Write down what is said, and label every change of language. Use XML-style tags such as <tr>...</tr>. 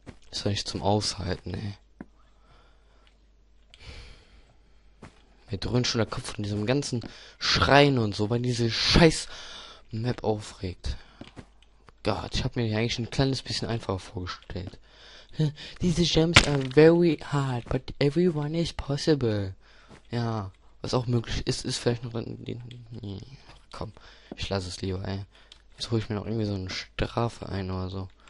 <de>Ist doch nicht zum Aushalten, ey. Mir dröhnt schon der Kopf von diesem ganzen Schreien und so, weil diese Scheiß Map aufregt. Gott, ich habe mir eigentlich ein kleines bisschen einfacher vorgestellt.</de> <en>These gems are very hard, but everyone is possible.</en> <de>Ja, was auch möglich ist, ist vielleicht noch ein... Komm, ich lasse es lieber, ey. Jetzt hole ich mir noch irgendwie so eine Strafe ein oder so.</de>